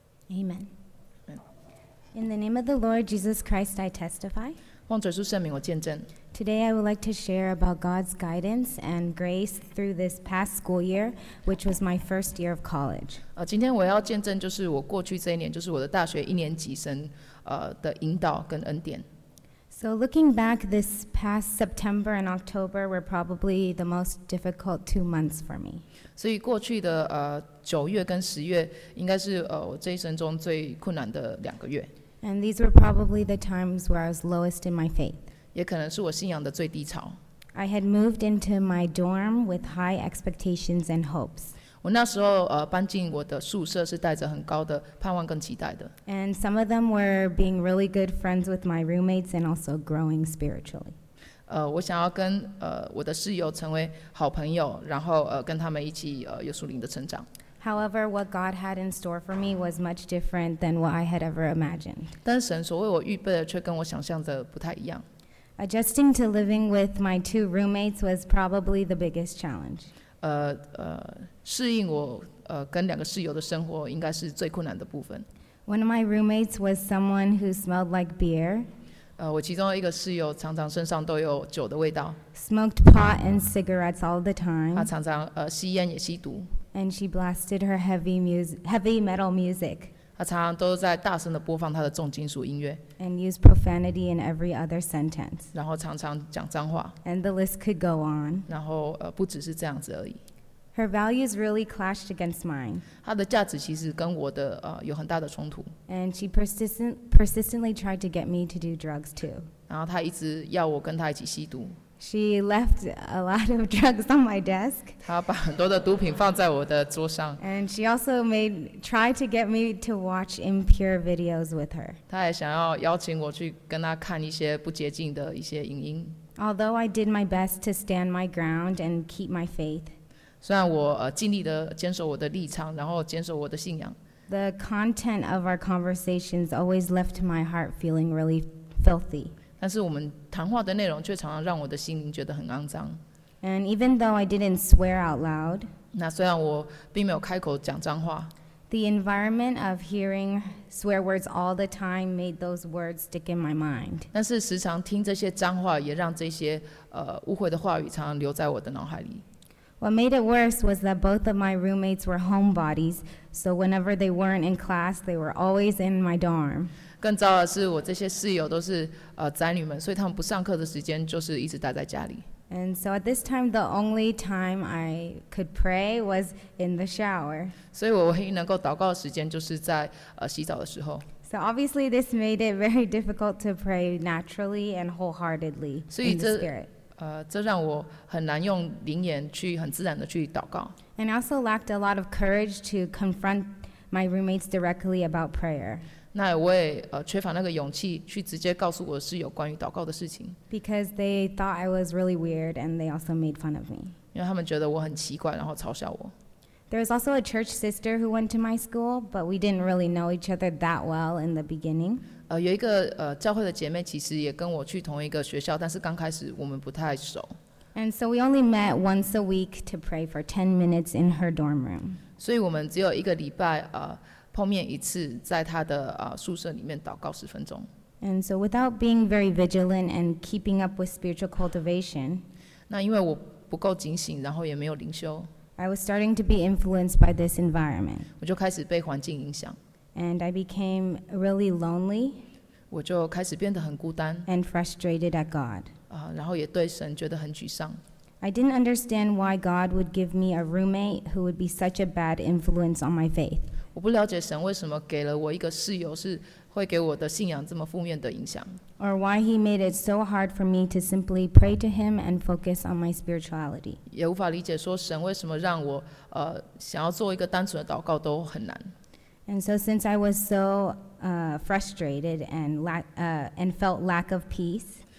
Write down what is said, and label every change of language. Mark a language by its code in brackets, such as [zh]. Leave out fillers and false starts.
[en] Amen. In the name of the Lord Jesus Christ, I testify. [zh] 奉主耶稣圣名，我见证。 [en] Today, I would like to share about God's guidance and grace through this past school year, which was my first year of college. [zh] 今天我要见证就是我过去这一年，就是我的大学一年级生的引导跟恩典。 [en] So looking back, this past September and October were probably the most difficult 2 months for me. [zh] 所以过去的九月跟十月应该是我这一生中最困难的两个月。 [en] And these were probably the times where I was lowest in my faith. [zh] 也可能是我信仰的最低潮。 [en] I had moved into my dorm with high expectations and hopes. [zh] 我那时候搬进我的宿舍是带着很高的盼望跟期待的。 [en] And some of them were being really good friends with my roommates and also growing spiritually. [zh] 我想要跟我的室友成为好朋友，然后跟他们一起有属灵的成长。 [en] However, what God had in store for me was much different than what I had ever imagined. [zh] 但神所为我预备的却跟我想象的不太一样。 [en] Adjusting to living with my two roommates was probably the biggest challenge. [zh] 适应我跟两个室友的生活应该是最困难的部分。 [en] One of my roommates was someone who smelled like beer. [zh] 我其中一个室友常常身上都有酒的味道。 [en] Smoked pot and cigarettes all the time. [zh] 他常常吸烟也吸毒。 [en] And she blasted her heavy metal music. [zh] 他常常都在大声地播放他的重金属音乐。 [en] And used profanity in every other sentence. [zh] 然后常常讲脏话。 [en] And the list could go on. [zh] 然后不只是这样子而已。 [en] Her values really clashed against mine. [zh] 她的价值其实跟我的有很大的冲突。 [en] And she persistently tried to get me to do drugs too. [zh] 然后她一直要我跟她一起吸毒。 [en] She left a lot of drugs on my desk. [zh] 她把很多的毒品放在我的桌上。 [en] And she also tried to get me to watch impure videos with her. [zh] 她也想要邀请我去跟她看一些不洁净的一些影音。 [en] Although I did my best to stand my ground and keep my faith. [zh] 虽然我尽力的坚守我的立场，然后坚守我的信仰。 [en] The content of our conversations always left my heart feeling really filthy. [zh] 但是我们谈话的内容却常常让我的心灵觉得很肮脏。 [en] And even though I didn't swear out loud, [zh] 那虽然我并没有开口讲脏话。 [en] The environment of hearing swear words all the time made those words stick in my mind. [zh] 但是时常听这些脏话，也让这些污秽的话语常常留在我的脑海里。 [en] What made it worse was that both of my roommates were homebodies, so whenever they weren't in class, they were always in my dorm. [zh] 更糟的是，我这些室友都是宅女们，所以他们不上课的时间就是一直待在家里。 [en] And so at this time, the only time I could pray was in the shower. [zh] 所以我唯一能够祷告的时间就是在洗澡的时候。 [en] So obviously, this made it very difficult to pray naturally and wholeheartedly in the spirit. [zh] 这让我很难用灵言去很自然的去祷告。 [en] And I also lacked a lot of courage to confront my roommates directly about prayer. [zh] 那我也缺乏那个勇气去直接告诉我室友关于祷告的事情。 [en] Because they thought I was really weird and they also made fun of me. [zh] 因为他们觉得我很奇怪，然后嘲笑我。 [en] There was also a church sister who went to my school, but we didn't really know each other that well in the beginning. [zh] 有一个教会的姐妹其实也跟我去同一个学校，但是刚开始我们不太熟。 [en] And so we only met once a week to pray for 10 minutes in her dorm room. [zh] 所以我们只有一个礼拜碰面一次，在她的宿舍里面祷告十分钟。 [en] And so without being very vigilant and keeping up with spiritual cultivation, [zh] 那因为我不够警醒，然后也没有灵修。 [en] I was starting to be influenced by this environment. [zh] 我就开始被环境影响。 [en] And I became really lonely. [zh] 我就开始变得很孤单。 [en] And frustrated at God. [zh] 然后也对神觉得很沮丧。 [en] I didn't understand why God would give me a roommate who would be such a bad influence on my faith. [zh] 我不了解神为什么给了我一个室友是会给我的信仰这么负面的影响。 [en] Or why he made it so hard for me to simply pray to him and focus on my spirituality. [zh] 也无法理解说神为什么让我想要做一个单纯的祷告都很难。 [en] And so since I was so frustrated and felt lack of peace,